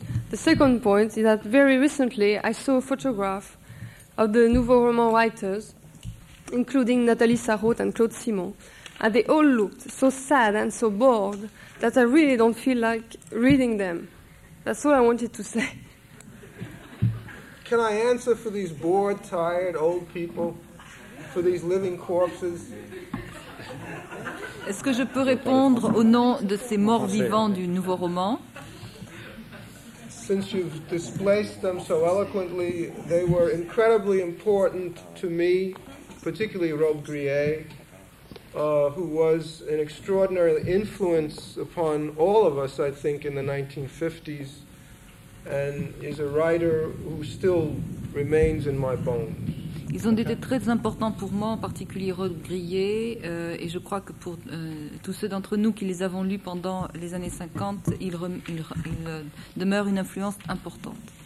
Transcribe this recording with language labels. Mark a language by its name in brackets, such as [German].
[English] The second point is that very recently I saw a photograph of the Nouveau Roman writers, including Nathalie Sarraute and Claude Simon, and they all looked so sad and so bored that I really don't feel like reading them. That's all I wanted to say. Can I answer for these bored, tired, old people, for these living corpses? [French] Est-ce que je peux répondre au nom de ces morts vivants du Nouveau Roman? [English] Since you've displaced them so eloquently, they were incredibly important to me, particularly Robe Grier, who was an extraordinary influence upon all of us, I think, in the 1950s, and is a writer who still remains in my bones. [French] Ils ont été très importants pour moi, en particulier Robe Grier, et je crois que pour tous ceux d'entre nous qui les avons lus pendant les années 50, ils demeurent une influence importante.